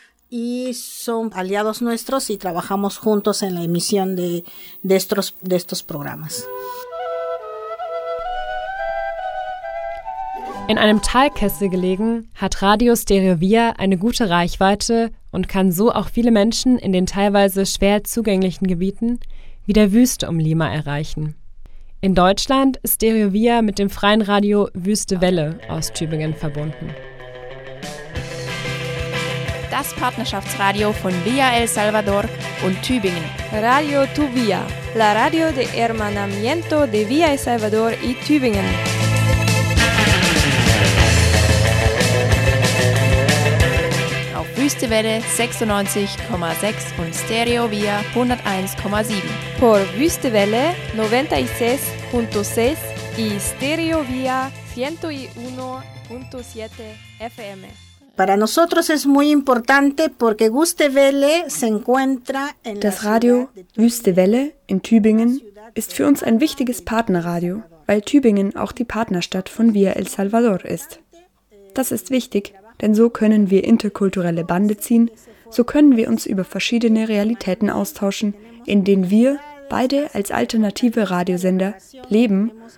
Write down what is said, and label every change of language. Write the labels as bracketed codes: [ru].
[es] Y son aliados nuestros y trabajamos juntos en la emisión de estos programas. [de] In einem Talkessel gelegen, hat Radio Estéreo Villa eine gute Reichweite und kann so auch viele Menschen in den teilweise schwer zugänglichen Gebieten, wie der Wüste um Lima erreichen. In Deutschland ist Stereo Villa mit dem freien Radio Wüste Welle aus Tübingen verbunden. Das Partnerschaftsradio von Villa El Salvador und Tübingen. [es] Radio Tuvia, la radio de hermanamiento de Villa El Salvador y Tübingen. [de] Auf Wüste Welle 96,6 und Stereo Villa 101,7. [es] Por Wüste Welle 96.6 y Stereo Villa 101.7 FM. Para nosotros es muy importante porque Wüste Welle se encuentra en [de] Das Radio Wüste Welle in Tübingen ist für uns ein wichtiges Partnerradio, weil Tübingen auch die Partnerstadt von Villa El Salvador ist. Das ist wichtig, denn so können wir interkulturelle Bande ziehen, so können wir uns über verschiedene Realitäten austauschen, in denen wir beide als alternative Radiosender leben.